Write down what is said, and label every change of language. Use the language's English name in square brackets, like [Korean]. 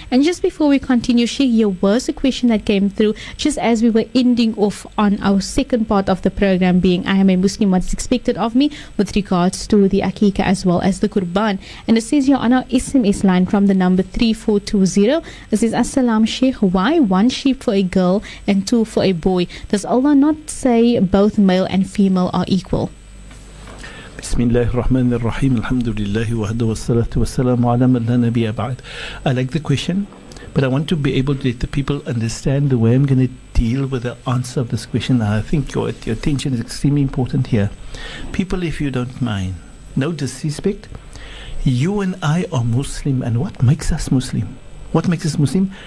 [English] And just before we continue, Sheikh, your verse, a question that came through just as we were ending off on our second part of the program, being I am a Muslim, what is expected of me with regards to the Aqeeqah as well as the Qurban. And it says, Your Honor, SMS line from the number 3420. It says, Assalam, Sheikh, why one sheep for a girl and two for a boy? Does Allah not say both male and female are equal? [Arabic] بسم الله الرحمن الرحيم الحمد لله وحده والصلاة والسلام على من لا نبي بعد. [English] I like the question, but I want to be able to let the people understand the way I'm going to deal with the answer of this question. I think your attention is extremely important here. People, if you don't mind, no disrespect, you and I are Muslim, and what makes us Muslim? What makes us Muslim?